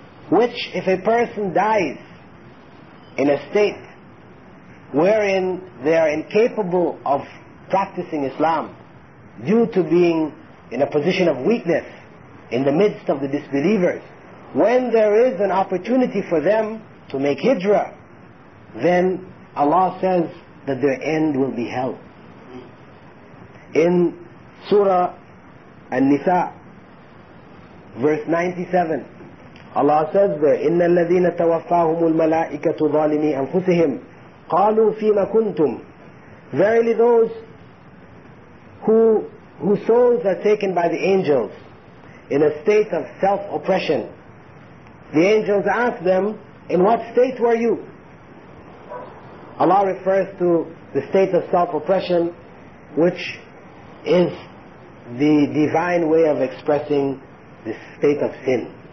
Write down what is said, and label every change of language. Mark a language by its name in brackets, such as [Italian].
[English] Which, if a person dies in a state wherein they are incapable of practicing Islam due to being in a position of weakness in the midst of the disbelievers, when there is an opportunity for them to make hijrah, then Allah says that their end will be hell. In Surah An-Nisa, verse 97, Allah says there, [Arabic] إِنَّ الَّذِينَ تَوَفَّاهُمُ الْمَلَائِكَةُ ظَالِمِي أَنفُسِهِمْ قَالُوا فِيمَ كُنْتُمْ. [English] Verily those whose souls are taken by the angels in a state of self-oppression, the angels ask them, in what state were you? Allah refers to the state of self-oppression, which is the divine way of expressing the state of sin.